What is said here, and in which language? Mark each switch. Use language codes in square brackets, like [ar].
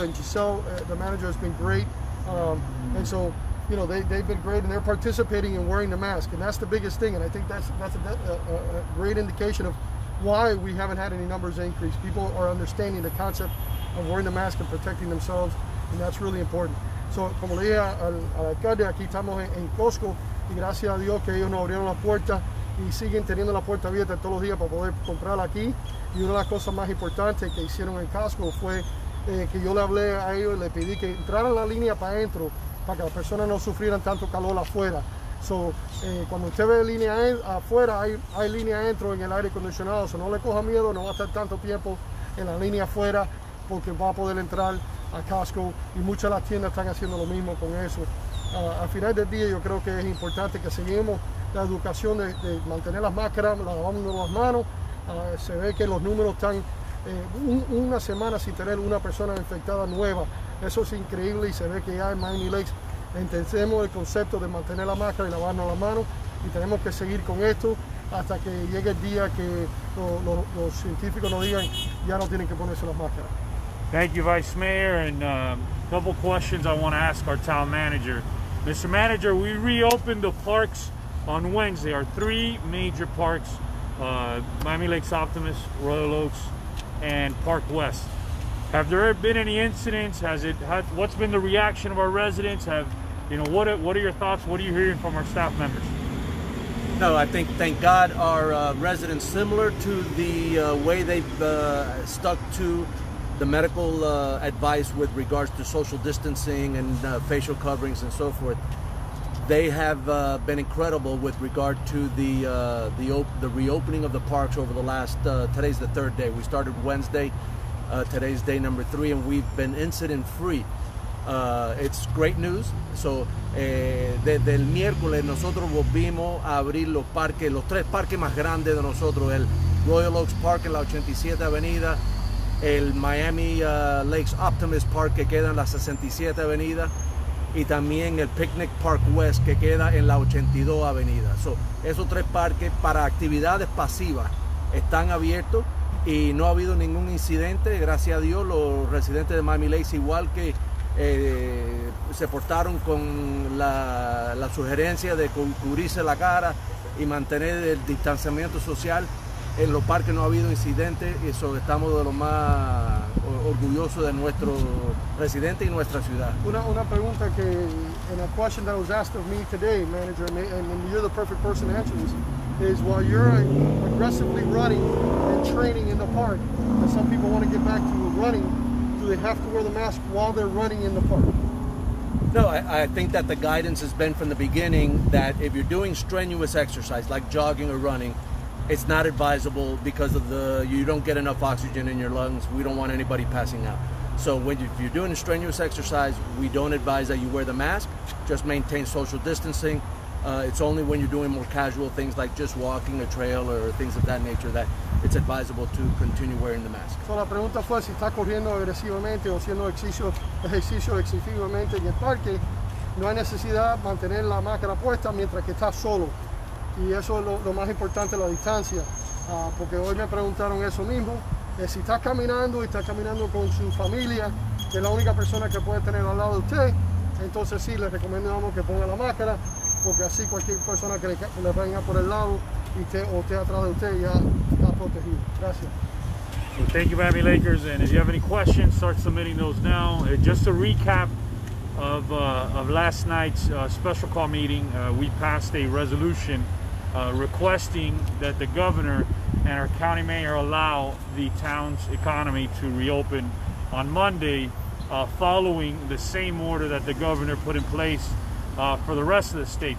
[en] And Giselle, the manager, has been great. And so, you know, they've been great, and they're participating in wearing the mask, and that's the biggest thing. And I think that's a great indication of why we haven't had any numbers increase. People are understanding the concept of wearing the mask and protecting themselves, and that's really important. [es] So, como le dije al alcalde, aquí estamos en Costco, y gracias a Dios que ellos nos abrieron la puerta y siguen teniendo la puerta abierta todos los días para poder comprar aquí. Y una de las cosas más importantes que hicieron en Costco fue que yo le hablé a ellos y le pedí que entraran la línea para adentro, para que las personas no sufrieran tanto calor afuera. So, cuando usted ve línea afuera, hay línea adentro en el aire acondicionado, so no le coja miedo, no va a estar tanto tiempo en la línea afuera, porque va a poder entrar a Costco, y muchas de las tiendas están haciendo lo mismo con eso. Al final del día, yo creo que es importante que seguimos la educación de mantener las máscaras, lavándonos las manos. Se ve que los números están una semana sin tener una persona infectada nueva. Eso es increíble, y se ve que ya en Miami Lakes entendemos el concepto de mantener la máscara y lavarnos las manos, y tenemos que seguir con esto hasta que llegue el día que los científicos nos digan ya no tienen que ponerse las máscaras. [en] Thank you, Vice Mayor, and a couple questions I want to ask our town manager. Mr. Manager, we reopened the parks on Wednesday, our three major parks, Miami Lakes Optimus, Royal Oaks, and Park West. Have there been any incidents? What's been the reaction of our residents? What are your thoughts? What are you hearing from our staff members? No, I think, thank God, our residents, similar to the way they've stuck to the medical advice with regards to social distancing and facial coverings and so forth. They have been incredible with regard to the reopening of the parks over the last, today's the third day. We started Wednesday, today's day number three, and we've been incident free. It's great news. [es] So, desde el miércoles nosotros volvimos a abrir los parques, los tres parques más grandes de nosotros, el Royal Oaks Park en la 87 Avenida, el Miami Lakes Optimist Park que queda en la 67 Avenida, y también el Picnic Park West que queda en la 82 Avenida. So, esos tres parques para actividades pasivas están abiertos y no ha habido ningún incidente. Gracias a Dios, los residentes de Miami Lakes, igual que se portaron con la sugerencia de cubrirse la cara y mantener el distanciamiento social, en los parques no ha habido incidente, y eso estamos de lo más orgulloso de nuestro residente y nuestra ciudad. Una pregunta que, [en] and a question that was asked of me today, manager, and you're the perfect person to answer this, is while you're aggressively running and training in the park, and some people want to get back to running, do they have to wear the mask while they're running in the park? No, I think that the guidance has been from the beginning that if you're doing strenuous exercise, like jogging or running, it's not advisable because of you don't get enough oxygen in your lungs. We don't want anybody passing out. So if you're doing a strenuous exercise, we don't advise that you wear the mask. Just maintain social distancing. It's only when you're doing more casual things like just walking a trail or things of that nature that it's advisable to continue wearing the mask. [es] So la pregunta fue si está corriendo agresivamente o haciendo ejercicio excesivamente en el parque, no hay necesidad mantener la máscara puesta mientras que está solo. Y eso es lo más importante, la distancia, porque hoy me preguntaron eso mismo, si está caminando y está caminando con su familia, que es la única persona que puede tener al lado de usted, entonces sí, les recomendamos que ponga la máscara, porque así cualquier persona que le venga por el lado y esté atrás de usted ya está protegido. Gracias. [en] So thank you, Miami Lakers, and if you have any questions, start submitting those now. Just a recap of last night's special call meeting, we passed a resolution requesting that the governor and our county mayor allow the town's economy to reopen on Monday, following the same order that the governor put in place for the rest of the state.